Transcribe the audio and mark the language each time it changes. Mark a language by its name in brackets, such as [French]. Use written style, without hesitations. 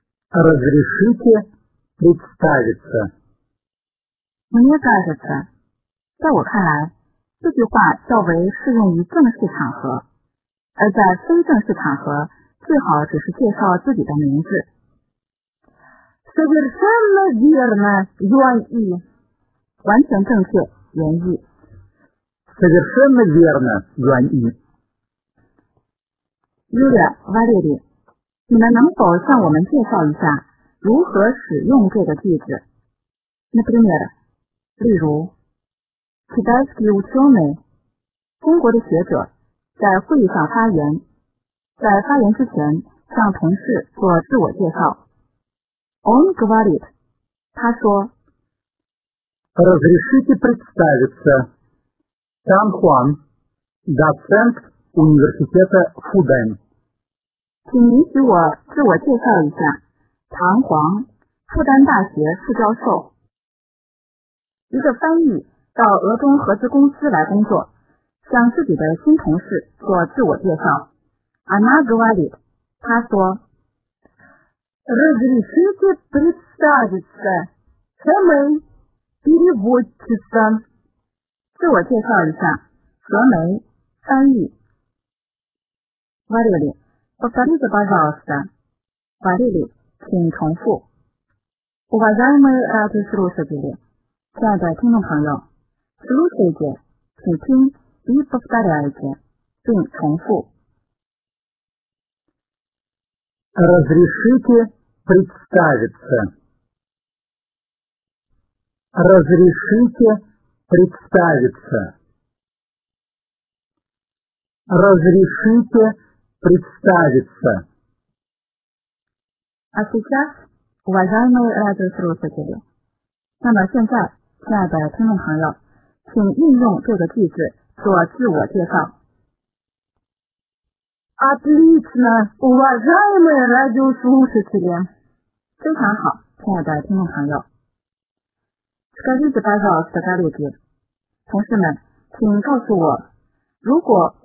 [Russian] Разрешите представиться. [Chinese] Мне кажется, 在我看来，这句话较为适用于正式场合，而在非正式场合最好只是介绍自己的名字。 [Russian] Совершенно верно, Юан И. [Chinese] 完全正确，袁毅。 [Russian] Совершенно верно, Юан И. [Chinese] Юля, Валерий, 你们能否向我们介绍一下如何使用这个句子？ Например, 例如 Китайский ученый, 中国的学者在会议上发言，在发言之前向同事做自我介绍。 [Russian] Он говорит, 他说 Разрешите представиться. Сан Хуан, доцент университета Фудэн. [Chinese] 请允许我自我介绍一下。唐黄，复旦大学副教授。一个翻译到俄中合资公司来工作，向自己的新同事做自我介绍。 [Russian] Она говорит, 他说 Разрешите представиться, Хэмэй, переводчица. [Chinese] 自我介绍一下, Хэмэй, 翻译。 [Russian] Валерий, повторите, пожалуйста. [Chinese] Валерий, 请重复。 Уважаемые радиослушатели, 亲爱的听众朋友, слушайте, 请听, и повторяйте, 并重复。 [Russian] Разрешите представиться. Разрешите представиться. Разрешите представиться. А сейчас, уважаемые радиослушатели, на сейчас, дорогие друзья, пожалуйста, используйте эту фразу для самопредставления. Отлично, уважаемые радиослушатели. Очень хорошо, дорогие друзья. Скажите, пожалуйста, коллеги, 同事们，请告诉我。